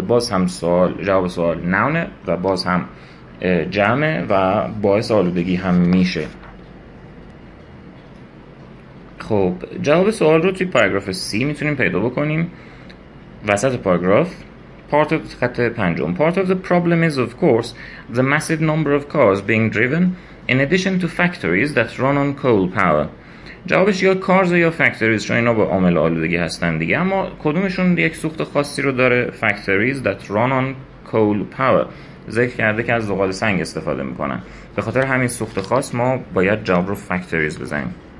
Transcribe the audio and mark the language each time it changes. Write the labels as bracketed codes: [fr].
[fa] باز هم سوال، جواب سوال نونه و باز هم جمعه و باعث آلودگی هم میشه. خب جواب سوال رو توی پاراگراف C میتونیم پیدا بکنیم، وسط پاراگراف [en] part of [fa] خط پنجم. [en] Part of the problem is, of course, the massive number of cars being driven, in addition to factories that run on coal power. [fa] جوابش یا cars یا factories، چون اینا با عامل آلودگی هستن دیگه. اما کدومشون یک سوخت خاصی رو داره؟ [en] Factories that run on coal power. [fa] ذکر کرده که از زغال سنگ استفاده میکنن. به خاطر همین سوخت خاص ما باید جواب رو factories بزنیم.